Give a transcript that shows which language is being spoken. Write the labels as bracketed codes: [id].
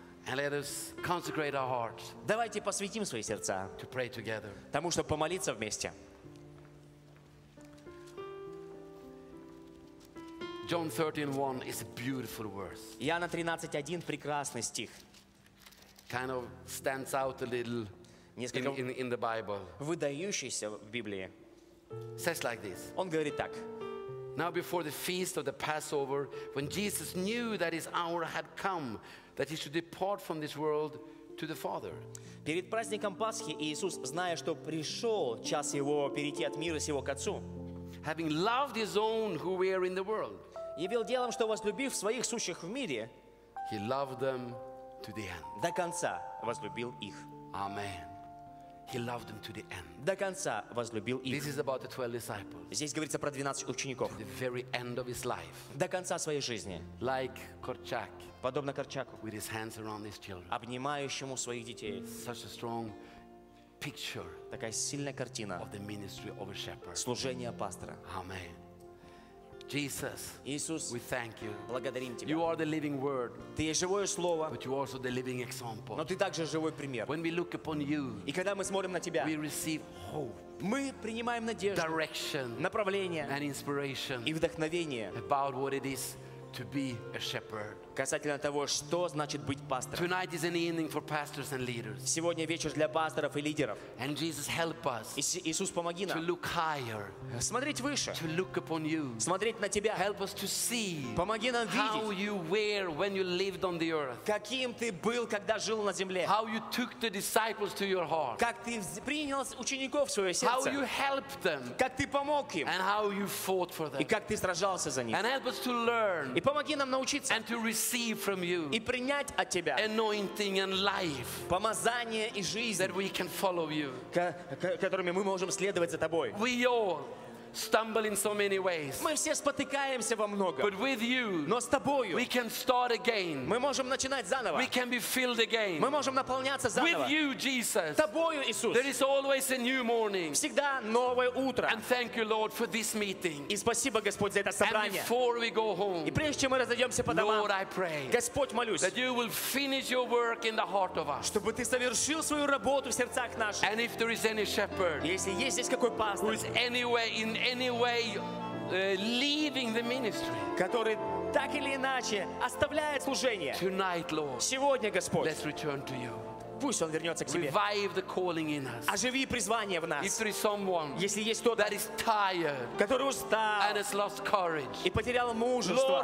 [en] And let us consecrate our hearts. [ru] Давайте посвятим свои сердца. [en] To pray together. [ru] Тому, чтобы помолиться вместе. [en] John 13:1 is a beautiful verse. [ru] Иоанна 13:1 прекрасный стих. [en] Kind of stands out a little in the Bible. [ru] Выдающийся в Библии. [en] Says like this. [ru] Он говорит так. [en] Now before the feast of the Passover, when Jesus knew that his hour had come, that he should depart from this world to the Father. [ru] Перед праздником Пасхи Иисус, зная, что пришел час его перейти от мира сего к Отцу, [en] having loved his own who were in the world, [ru] явил делом, что возлюбив своих сущих в мире, [en] he loved them to the end, [ru] до конца возлюбил их. [en] Amen. He loved them to the end, [ru] до конца возлюбил их. [en] This is about the 12 disciples, [ru] здесь говорится про 12 учеников, [en] to the very end of his life, [ru] до конца своей жизни, [en] like Korchak, [ru] подобно Корчаку, [en] with his hands around his children, [ru] обнимающему своих детей. [en] Such a strong picture, [ru] такая сильная картина, [en] of the ministry of a shepherd, [ru] служение пастора. [en] Amen. Jesus, [ru] Иисус, [en] we thank you. [ru] Благодарим тебя. [en] You are the living word. [ru] Ты есть живое слово. [en] But you also the living example. [ru] Но ты также живой пример. [en] When we look upon you, [ru] и когда мы смотрим на тебя, [en] we receive hope. [ru] Мы принимаем надежду, [en] direction, [ru] направление, [en] and inspiration, [ru] и вдохновение, [en] about what it is to be a shepherd. [ru] Касательно того, что значит быть пастором. [en] Tonight is an evening for pastors and leaders. [ru] Сегодня вечер для пасторов и лидеров. [en] And Jesus, help us. [ru] Иисус, помоги нам. [en] To look higher. [ru] Смотреть выше. [en] To look upon you. [ru] Смотреть на тебя. [en] Help us to see. [ru] Помоги нам видеть. [en] How you were when you lived on the earth. [ru] Каким ты был, когда жил на земле. [en] How you took the disciples to your heart. [ru] Как ты принял учеников в свое сердце. [en] How you helped them. [ru] Как ты помог им. [en] And how you fought for them. [ru] И как ты сражался за них. [en] And help us to learn. [ru] И помоги нам научиться. [en] And to receive from you, [ru] и принять от тебя, [en] anointing and life, [ru] помазание и жизнь, [en] that we can follow you, [ru] которыми мы можем следовать за тобой. [en] We all stumble in so many ways, [ru] мы все спотыкаемся во многом, [en] but with you, [ru] но с тобою, [en] we can start again, [ru] мы можем начинать заново, [en] we can be filled again, [ru] мы можем наполняться заново. [en] With you, Jesus, [ru] тобою, Иисус, [en] there is always a new morning, [ru] всегда новое утро. [en] And thank you, Lord, for this meeting, [ru] и спасибо, Господь, за это собрание. [en] And before we go home, [ru] и прежде чем мы разойдемся по домам, [en] Lord, I pray, [ru] Господь, молюсь, [en] that you will finish your work in the heart of us, [ru] чтобы ты совершил свою работу в сердцах наших. [en] And if there is any shepherd, [ru] если есть здесь какой пастор, [en] who is anywhere in anyway leaving the ministry, [ru] который так или иначе оставляет служение, [en] tonight, Lord, [ru] сегодня, Господь, [en] let's return to you, [ru] пусть он вернется к тебе. [en] Revive the calling in us. [ru] Оживи призвание в нас. [en] If there is someone, [ru] если есть кто-то, [en] that is tired, [ru] который устал, [en] and has lost courage, [ru] и потерял мужество,